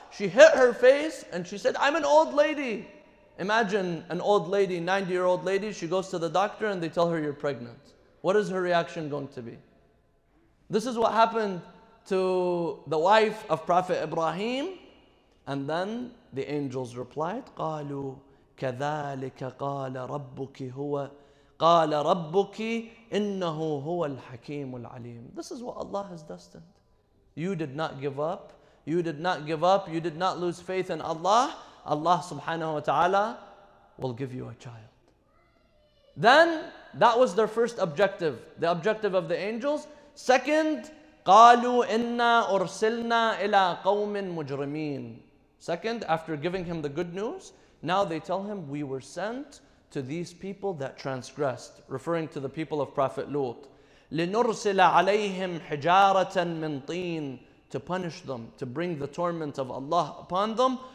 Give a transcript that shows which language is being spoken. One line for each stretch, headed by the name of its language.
English: She hit her face and she said, I'm an old lady. Imagine an old lady, 90-year-old lady, she goes to the doctor and they tell her you're pregnant. What is her reaction going to be? This is what happened to the wife of Prophet Ibrahim. And then the angels replied,
Arabic: قَالُوا كَذَلِكَ قَالَ رَبُّكِ هُوَ قَالَ رَبُّكِ إِنَّهُ هُوَ الْحَكِيمُ الْعَلِيمُ.
English: This is what Allah has destined. You did not give up. You did not give up. You did not lose faith in Allah. Allah subhanahu wa ta'ala will give you a child. Then that was their first objective, the objective of the angels. Second,
Arabic: قَالُوا إِنَّا أُرْسِلْنَا إِلَىٰ قَوْمٍ مُجْرِمِينَ.
English: Second, after giving him the good news, now they tell him, we were sent to these people that transgressed, referring to the people of Prophet Lut.
Arabic: لِنُرْسِلَ عَلَيْهِمْ حِجَارَةً مِنْ طِينَ.
English: To punish them, to bring the torment of Allah upon them.